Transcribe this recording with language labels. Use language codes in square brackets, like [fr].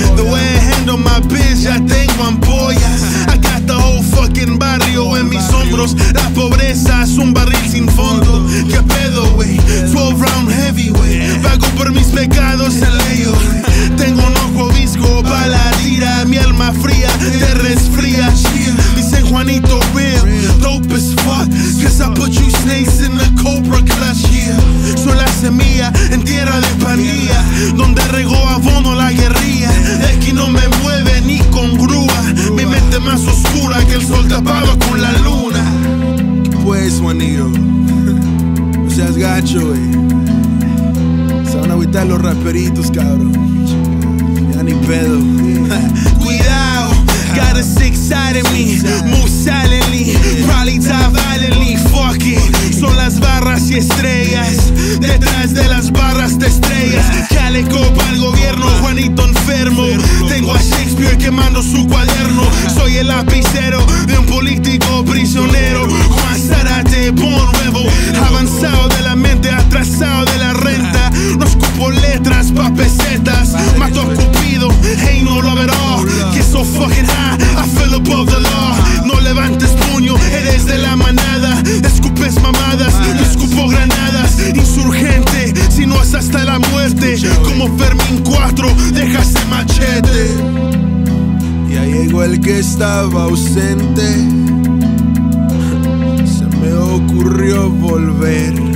[en] The way I handle my biz, [es] ya tengo ampollas. [en] I got the whole fucking barrio [es] en mis hombros. La pobreza es un barril sin fondo. ¿Qué pedo, wey? [en] 12 round heavyweight. [es] Pago por mis pecados el ello. Tengo un ojo visco pa' la tira. Mi alma fría, te resfría. Dicen Juanito real. [en] Dope as fuck, cause I put you snakes in the cobra clutch, yeah. [es] Soy la semilla en tierra de panía, donde regó abono la guerrilla. Es que no me mueve ni con grúa. Mi mente más oscura que el sol tapado con la luna. Pues, Juanillo, no seas gacho, wey. Se van a agüitar los raperitos, cabrón. Ya ni pedo. Cuidado. [en] Got a sick side of me, move silently, probably die violently, fuck it. [es] Son las barras y estrellas, detrás de las barras de estrellas. Chaleco pa'l gobierno, Juanito enfermo. Tengo a Shakespeare quemando su cuaderno. Soy el lapicero de un político prisionero. Juan Zárate, born nuevo, avanzado de la mente, atrasado de la renta. No escupo letras pa' pesetas, mato a Cupido, hey no lo verá. [en] So fucking high, I feel above the law. [es] No levantes puño, eres de la manada. Escupes mamadas, yo escupo granadas. Insurgente, si no es hasta la muerte. Como Fermín 4, dejas el machete. Ya llegó el que estaba ausente. Se me ocurrió volver.